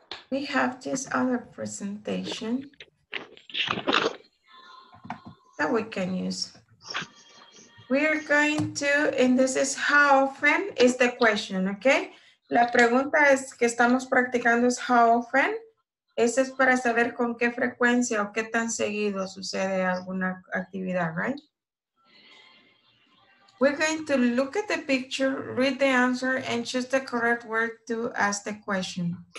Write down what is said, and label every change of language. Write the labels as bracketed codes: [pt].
[en] We have this other presentation that we can use. We're going to, and this is how often is the question, okay? [es] La pregunta es que estamos practicando es [en] how often. [es] Ese es para saber con qué frecuencia o qué tan seguido sucede alguna actividad, right? [en] We're going to look at the picture, read the answer, and choose the correct word to ask the question.